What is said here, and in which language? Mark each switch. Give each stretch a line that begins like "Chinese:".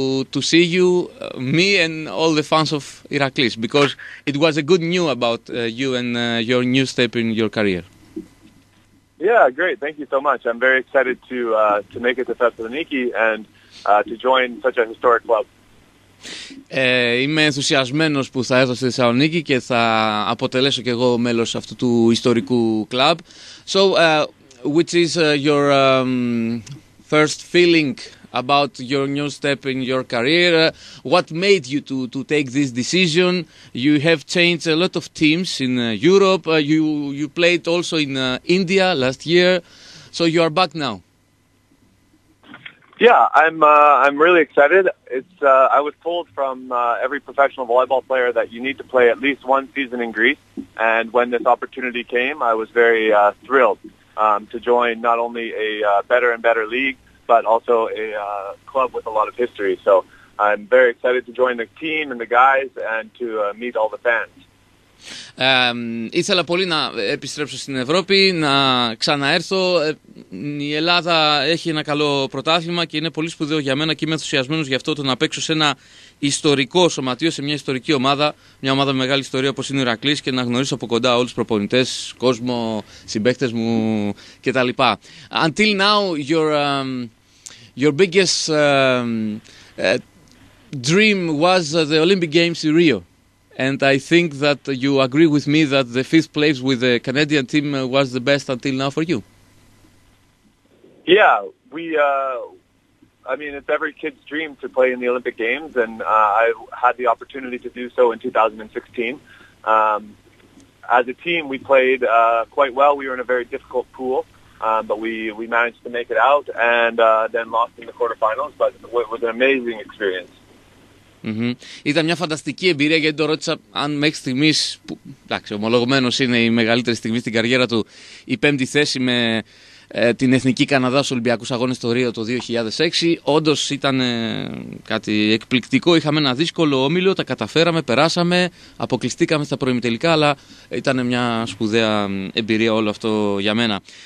English: To see you, me and all the fans of Ηρακλής, because it was a good news about you and your new step in your career. Yeah, great. Thank you so much. I'm very excited to make it to Thessaloniki and to join such a historic club.
Greek: Είμαι ενθουσιασμένος που θα έρθω στη Θεσσαλονίκη και θα αποτελέσω και εγώ μέλος αυτού του ιστορικού club.
English: So, which is your first feeling about your new step in your career? What made you to take this decision? You have changed a lot of teams in Europe. You played also in India last year, so you are back now. Yeah, I'm really excited. It's I was told from every professional volleyball player that you need to play at least one season in Greece, and when this opportunity came, I was very thrilled to join not only a better and better league, but also a club with a lot of history. So I'm very excited to join the team and the guys and to meet all the fans.
Greek: Ήθελα πολύ να επιστρέψω στην Ευρώπη, να ξαναέρθω. Η Ελλάδα έχει ένα καλό πρωτάθλημα και είναι πολύ σπουδαίο για μένα και είμαι ενθουσιασμένος γι' αυτό, το να παίξω σε ένα ιστορικό σωματείο, σε μια ιστορική ομάδα, μια ομάδα με μεγάλη ιστορία όπως είναι ο Ηρακλής, και να γνωρίσω από κοντά όλους τους προπονητές, κόσμο, συμπαίκτες μου κτλ.
English: Until now, your biggest dream was the Olympic Games in Rio. And I think that you agree with me that the fifth place with the Canadian team was the best until now for you. Yeah, it's every kid's dream to play in the Olympic Games, and I had the opportunity to do so in 2016. As a team, we played quite well. We were in a very difficult pool, but we managed to make it out and then lost in the quarterfinals, but it was an amazing experience. Mm-hmm.
Greek: Ήταν μια φανταστική εμπειρία, γιατί το ρώτησα αν μέχρι στιγμής, που εντάξει, ομολογμένος είναι η μεγαλύτερη στιγμή στην καριέρα του, η πέμπτη θέση με την Εθνική Καναδά στους Ολυμπιακούς Αγώνες στο Ρίο το 2006. Όντως ήταν κάτι εκπληκτικό. Είχαμε ένα δύσκολο όμιλο, τα καταφέραμε, περάσαμε, αποκλειστήκαμε στα προημιτελικά, αλλά ήταν μια σπουδαία εμπειρία όλο αυτό για μένα.